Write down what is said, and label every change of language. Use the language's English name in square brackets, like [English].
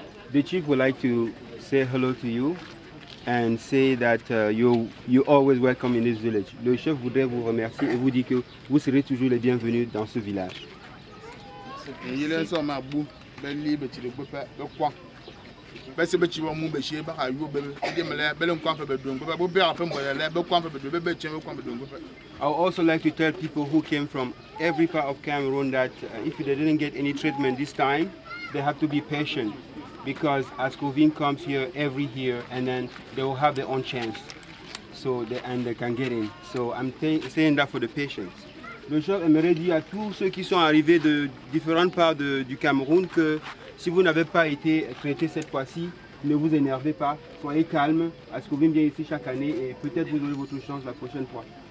[English] The chief would like to say hello to you and say that you always welcome in this village. [French] Le chef voudrait vous remercier et vous dire que vous serez toujours le bienvenu dans ce village. [English] I would also like to tell people who came from every part of Cameroon that if they didn't get any treatment this time, they have to be patient, because as COVID comes here every year, and then they will have their own chance, so they, and they can get in. So I'm saying that for the patients. [French] Le chef aimerait dire à tous ceux qui sont arrivés de différentes parts du Cameroun que si vous n'avez pas été traité cette fois-ci, ne vous énervez pas, soyez calme, parce que vous venez bien ici chaque année et peut-être vous aurez votre chance la prochaine fois.